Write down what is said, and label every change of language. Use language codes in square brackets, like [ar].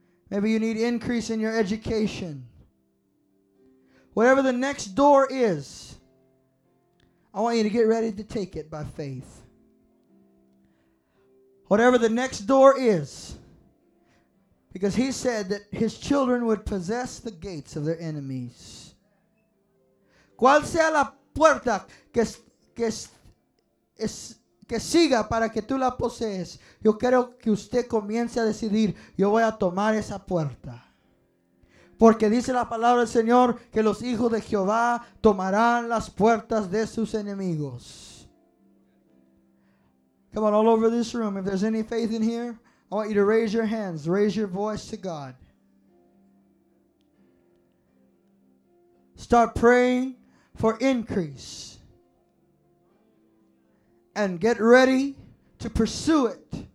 [en] Maybe you need increase in your education. Whatever the next door is, I want you to get ready to take it by faith. Whatever the next door is, because he said that his children would possess the gates of their enemies. [es] Cual sea la puerta que siga para que tú la posees, yo quiero que usted comience a decidir, yo voy a tomar esa puerta. Porque dice la palabra del Señor que los hijos de Jehová tomarán las puertas de sus enemigos. [en] Come on, all over this room. If there's any faith in here, I want you to raise your hands, raise your voice to God. Start praying for increase and get ready to pursue it.